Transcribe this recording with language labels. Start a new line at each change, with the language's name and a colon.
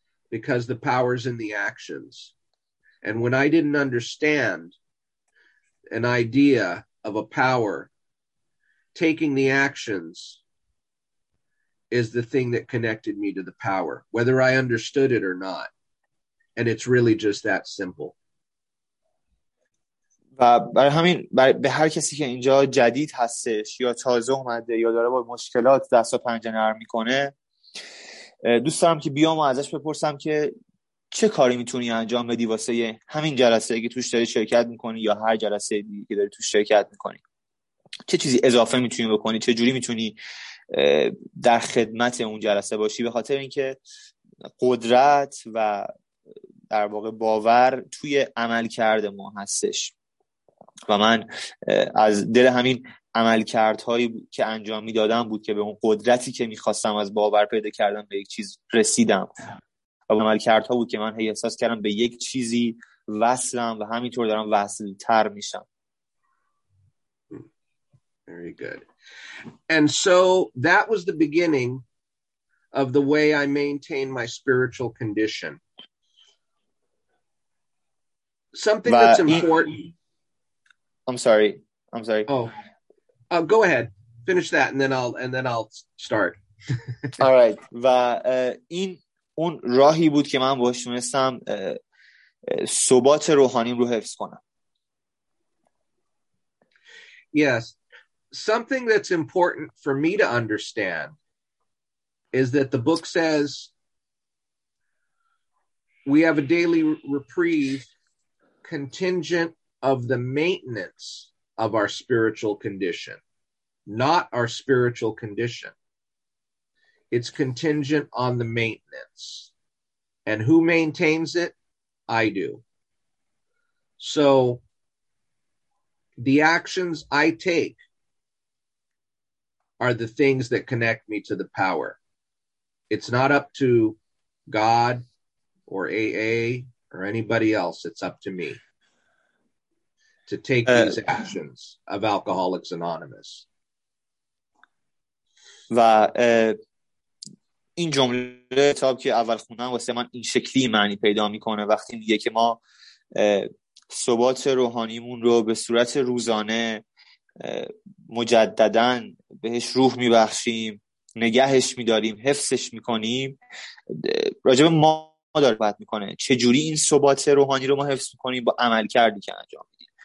English: Because the power's in the actions. And when I didn't understand an idea of a power, taking the actions is the thing that connected me to the power, whether I understood it or not. And it's really just that simple.
Persian: و برای همین به هر کسی که اینجا جدید هستش یا تازه اومده یا داره با مشکلات دست و پنجه نرم میکنه، دوست دارم که بیام و ازش بپرسم که چه کاری میتونی انجام بدی واسه همین جلسه که توش داری شرکت میکنی یا هر جلسه دیگه که داری توش شرکت میکنی، چه چیزی اضافه میتونی بکنی، چه جوری میتونی در خدمت اون جلسه باشی، به خاطر اینکه قدرت و در واقع باور توی عمل کرده ما هستش. و من از دل همین عملکردهایی که انجام میدادم بود که به اون قدرتی که میخواستم از باور پیدا کردم به یک چیز رسیدم، و عملکردها بود که من هی احساس کردم به یک چیزی وصلم و همینطور دارم وصلتر میشم.
English: Very good. And so that was the beginning of the way I maintain my spiritual condition. Something that's important. I'm sorry. Oh. Go ahead. Finish that and then I'll start. All right.
Persian: و این اون راهی بود که من باهاش تونستم ثبات روحانیم رو حفظ کنم.
English: Yes. Something that's important for me to understand is that the book says we have a daily reprieve contingent of the maintenance of our spiritual condition, not our spiritual condition. It's contingent on the maintenance. And who maintains it? I do. So the actions I take are the things that connect me to the power. It's not up to God or AA or anybody else. It's up to me to take these actions of Alcoholics Anonymous.
Persian: و این جمله تاب که اول خونم واسه من این شکلی معنی پیدا میکنه وقتی میگه که ما ثبات روحانیمون رو به صورت روزانه مجددن بهش روح میبخشیم، نگهش میداریم، حفظش میکنیم، راجب ما داره بحث میکنه چجوری این ثبات روحانی رو ما حفظ میکنیم با عمل کردی که انجام میدیم.